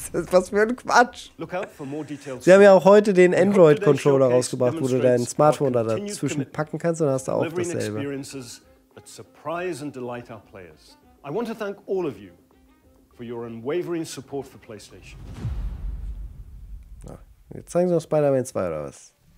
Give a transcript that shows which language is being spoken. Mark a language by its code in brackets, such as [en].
[de] Was für ein Quatsch. Sie haben ja auch heute den Android Controller rausgebracht, wo du dein Smartphone da dazwischen packen kannst und hast du auch dasselbe. [en] I want to thank all of you for your unwavering support for PlayStation. [de] Jetzt zeigen sie noch Spider-Man 2 oder was?